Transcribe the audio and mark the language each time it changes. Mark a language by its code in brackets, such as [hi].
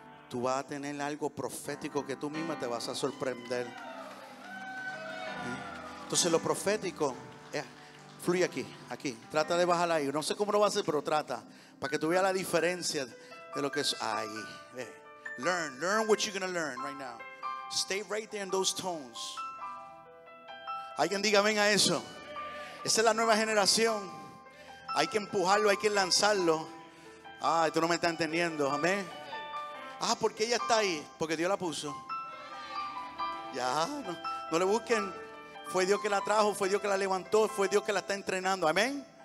[es] Tú vas a tener algo profético que tú misma te vas a sorprender. Entonces lo profético fluye aquí. Trata de bajar ahí. No sé cómo lo va a hacer, pero trata. Para que tú veas la diferencia de lo que es ahí. [en] Learn what you're going to learn right now. Stay right there in those tones. [es] Alguien diga amén a eso. Esa es la nueva generación. Hay que empujarlo, hay que lanzarlo. Ay, tú no me estás entendiendo. Amén. Ah, ¿por qué ella está ahí? Porque Dios la puso. Ya, no le busquen. Fue Dios que la trajo, fue Dios que la levantó, fue Dios que la está entrenando. Amén.